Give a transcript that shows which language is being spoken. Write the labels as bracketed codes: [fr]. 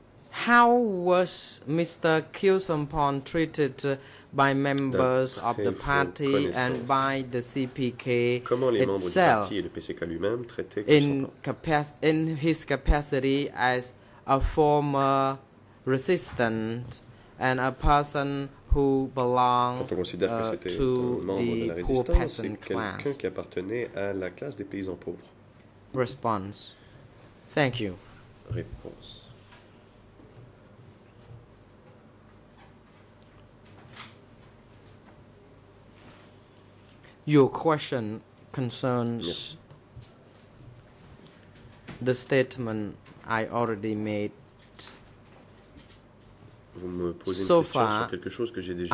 [en] How was Mr. Kyusampon treated by members of the party and by the CPK itself in his capacity as a former resistant and a person who belonged to the poor peasant class? [fr] Quelqu'un qui appartenait à la classe des paysans pauvres. [en] Response. Thank you. [fr] Réponse. [en] Your question concerns the statement I already made. [fr] Vous me posez une question sur quelque chose que j'ai déjà